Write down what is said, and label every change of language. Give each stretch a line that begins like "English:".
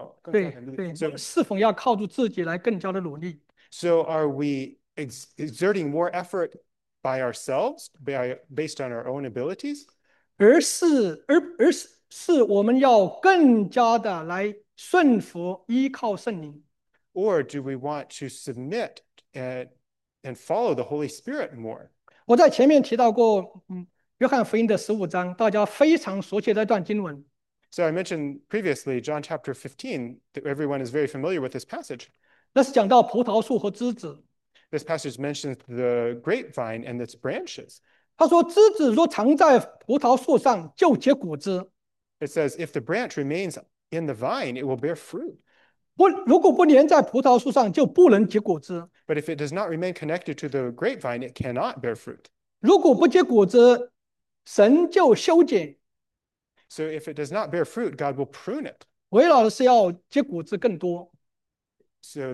Chinese: 对 对, 侍奉要靠着自己来更加的努力。
English: so are we exerting more effort by ourselves, based on our own abilities?
Chinese: 而是我们要更加的来顺服依靠圣灵。
English: Or do we want to submit and follow the Holy Spirit more?
Chinese: 我在前面提到过，约翰福音的15章，大家非常熟悉的一段经文。
English: So I mentioned previously, John chapter 15, that everyone is very familiar with this passage.
Chinese: 那是讲到葡萄树和枝子。
English: This passage mentions the grapevine and its branches.
Chinese: 他说："枝子若藏在葡萄树上，就结果子。"
English: It says, if the branch remains in the vine, it will bear fruit.
Chinese: 不，如果不粘在葡萄树上，就不能结果子。
English: But if it does not remain connected to the grapevine, it cannot bear fruit.
Chinese: 如果不结果子，神就修剪。
English: So if it does not bear fruit, God will prune it.
Chinese: 为了是要结果子更多。
English: So